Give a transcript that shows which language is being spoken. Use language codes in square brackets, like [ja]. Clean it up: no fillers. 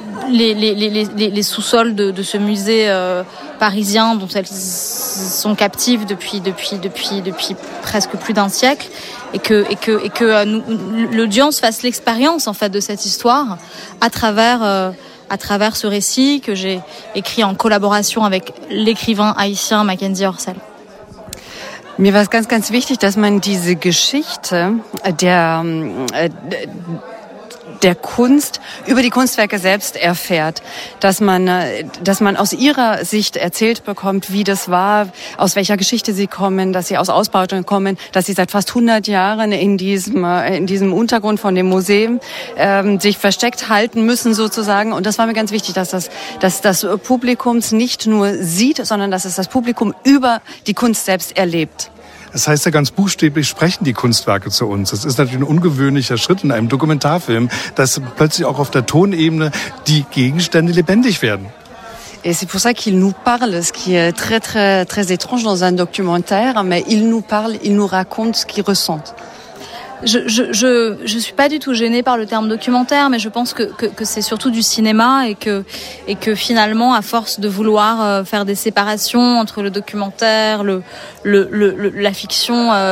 [fr] Les sous-sols de ce musée parisien dont elles sont captives depuis presque plus d'un siècle, et que l'audience fasse l'expérience en fait de cette histoire à travers ce récit que j'ai écrit en collaboration avec l'écrivain haïtien Mackenzie Orcel. [de] Mir war es ganz, ganz wichtig, dass man diese Geschichte der Kunst über die Kunstwerke selbst erfährt, dass man aus ihrer Sicht erzählt bekommt, wie das war, aus welcher Geschichte sie kommen, dass sie aus Ausbeutung kommen, dass sie seit fast 100 Jahren in diesem Untergrund von dem Museum sich versteckt halten müssen sozusagen. Und das war mir ganz wichtig, dass das Publikum es nicht nur sieht, sondern dass es das Publikum über die Kunst selbst erlebt. Das heißt ja ganz buchstäblich, sprechen die Kunstwerke zu uns. Das ist natürlich ein ungewöhnlicher Schritt in einem Dokumentarfilm, dass plötzlich auch auf der Tonebene die Gegenstände lebendig werden. [fr] Et c'est pour ça qu'il nous parle, ce qui est très très très étrange dans un documentaire, mais il nous parle, il nous raconte ce qu'il ressent. Je suis pas du tout gênée par le terme documentaire, mais je pense que c'est surtout du cinéma et que finalement, à force de vouloir faire des séparations entre le documentaire, la fiction,